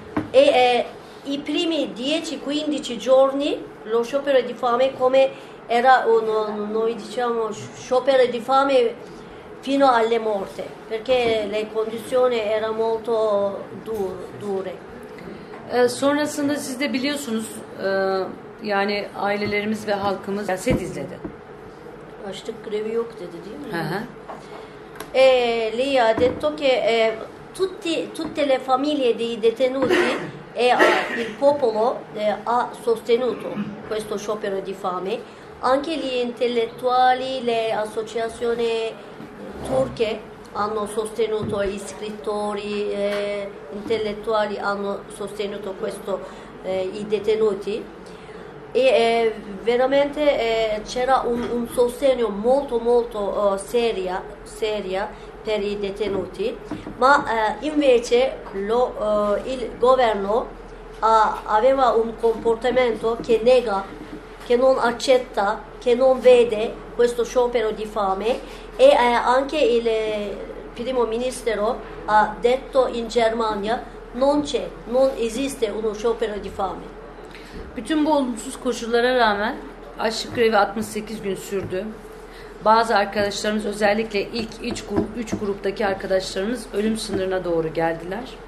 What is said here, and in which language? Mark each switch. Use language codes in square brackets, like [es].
[it] E i primi 10-15 giorni lo sciopero di fame come era uno, noi diciamo, sciopero di fame fino alle morte, perché le condizioni erano molto dure. [tr] Sonrasında siz de biliyorsunuz, yani ailelerimiz ve halkımız siyaset izledi. Açlık grevi yok dedi, değil mi? Hı hı. [it] Lei ha detto che tutte le famiglie dei detenuti e il popolo ha sostenuto questo sciopero di fame, anche gli intellettuali, le associazioni turche hanno sostenuto, gli scrittori, intellettuali hanno sostenuto questo, i detenuti, e veramente c'era un sostegno molto molto seria per i detenuti, ma invece il governo aveva un comportamento che nega, che non accetta, che non vede questo sciopero di fame, e anche il primo ministro ha detto in Germania non esiste uno sciopero di fame. [tr] Bütün bu olumsuz koşullara rağmen açlık grevi 68 gün sürdü. Bazı arkadaşlarımız, özellikle ilk 3 gruptaki arkadaşlarımız ölüm sınırına doğru geldiler.